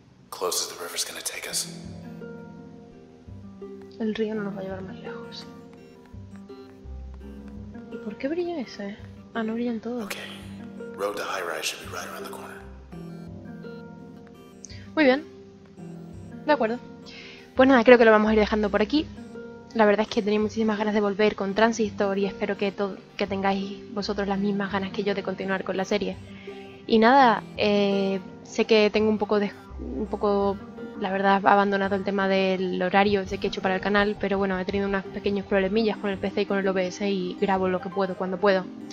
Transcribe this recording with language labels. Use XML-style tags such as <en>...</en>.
<en>Close. close as the river's gonna take us.</en> <es>El río no nos va a llevar más lejos. ¿Y por qué brilla ese? Ah, no brillan todos. Okay.</es> <en>Road to high rise should be right around the corner.</en> <es>Muy bien. De acuerdo. Pues nada, creo que lo vamos a ir dejando por aquí. La verdad es que tenía muchísimas ganas de volver con Transistor y espero que que tengáis vosotros las mismas ganas que yo de continuar con la serie. Y nada, sé que tengo un poco, la verdad, abandonado el tema del horario ese que he hecho para el canal, pero bueno, he tenido unos pequeños problemillas con el PC y con el OBS y grabo lo que puedo cuando puedo.</es>